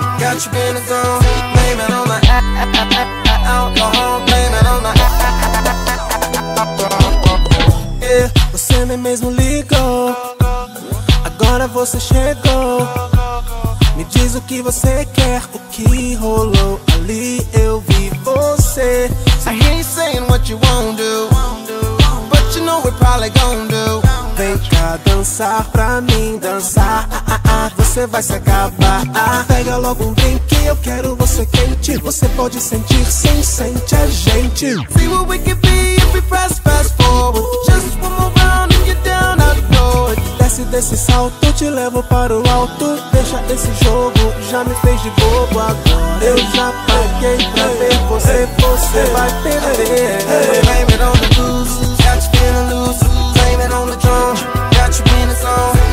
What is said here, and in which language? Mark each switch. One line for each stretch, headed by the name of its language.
English: Got you in the zone, blame it on the alcohol. Blame it on the yeah,
Portuguese: você me mesmo ligou. Agora você chegou. Me diz o que você quer, o que rolou ali, eu vi você.
English: I hear you saying what you won't do, but you know we're probably gon' do.
Portuguese: Vem cá dançar pra mim, dançar, ah, ah, ah, você vai se acabar. Pega logo um drink, que eu quero você quente. Você pode sentir, sim, sente a gente.
English: See what we can be if we press fast forward. Just one more round and you're down, I know it.
Portuguese: Desce desse salto, te levo para o alto. Deixa esse jogo, já me fez de bobo agora. Eu já paguei pra ver você, você vai perder.
English: Blame it on the blues, got you feeling loose. Blame it on the drone, got you in the zone.